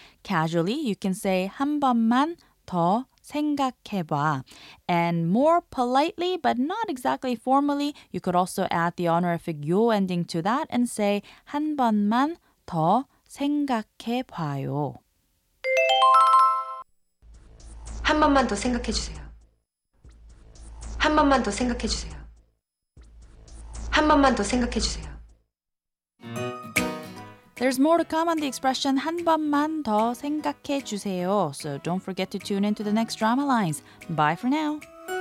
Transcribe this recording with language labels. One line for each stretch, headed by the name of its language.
English: Casually, you can say
Korean: 한 번만 더 생각해봐.
English: And more politely, but not exactly formally, you could also add the honorific 요 ending to that and say
Korean: 한 번만 더 생각해봐요. 한 번만 더 생각해주세요. 한 번만 더 생각해주세요. 한 번만 더 생각해주세요.
English: There's more to come on the expression
Korean: 한 번만 더 생각해 주세요.
English: So don't forget to tune into the next drama lines. Bye for now.